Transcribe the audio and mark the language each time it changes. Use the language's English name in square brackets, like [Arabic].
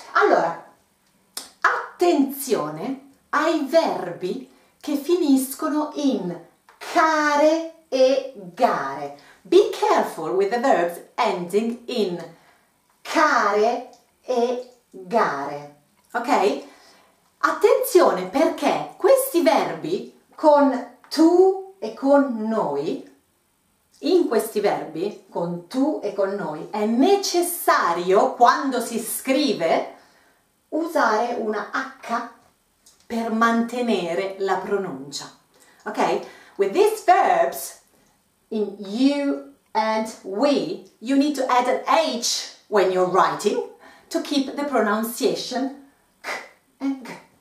[Italian] Allora, attenzione ai verbi che finiscono in care e gare. [English] Be careful with the verbs ending in care e gare. Ok? [Italian] Attenzione perché questi verbi con tu e con noi, in questi verbi, con tu e con noi, è necessario, quando si scrive, usare una H per mantenere la pronuncia. Ok? [English] With these verbs, in you and we, you need to add an H when you're writing to keep the pronunciation k and g.